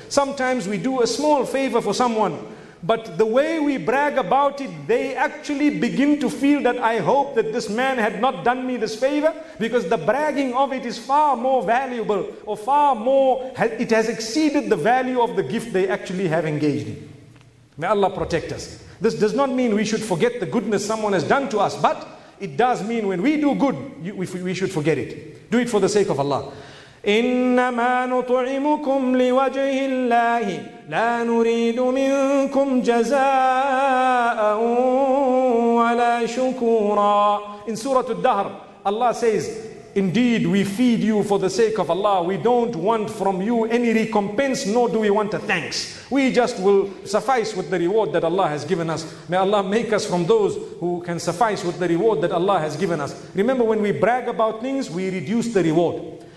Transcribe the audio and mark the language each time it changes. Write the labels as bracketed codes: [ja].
[en] Sometimes we do a small favor for someone, but the way we brag about it, they actually begin to feel that I hope that this man had not done me this favor, because the bragging of it is far more valuable, or far more, it has exceeded the value of the gift they actually have engaged in. May Allah protect us. This does not mean we should forget the goodness someone has done to us, but it does mean when we do good, we should forget it. Do it for the sake of Allah. [ar] إنما نطعمكم لوجه الله لا نريد منكم جزاء ولا شكورا. [en] In Surah Al-Dahr, Allah says, indeed we feed you for the sake of Allah. We don't want from you any recompense, nor do we want a thanks. We just will suffice with the reward that Allah has given us. May Allah make us from those who can suffice with the reward that Allah has given us. Remember, when we brag about things, we reduce the reward.